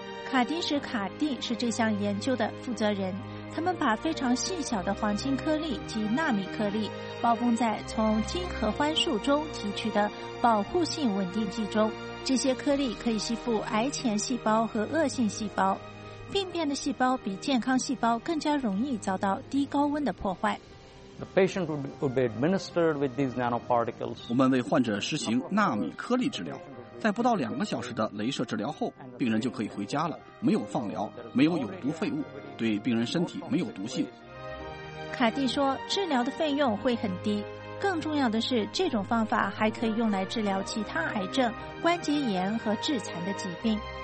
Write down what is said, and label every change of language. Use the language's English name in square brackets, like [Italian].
[Chinese] 卡丁什卡蒂是这项研究的负责人，他们把非常细小的黄金颗粒及纳米颗粒包封在从金合欢树中提取的保护性稳定剂中，这些颗粒可以吸附癌前细胞和恶性细胞，病变的细胞比健康细胞更加容易遭到低高温的破坏。 [English] The patient would be administered with these nanoparticles. [Chinese] 我们为患者施行纳米颗粒治疗，在不到两个小时的雷射治疗后，病人就可以回家了，没有放疗，没有有毒废物，对病人身体没有毒性。卡蒂说，治疗的费用会很低，更重要的是这种方法还可以用来治疗其他癌症、关节炎和致残的疾病。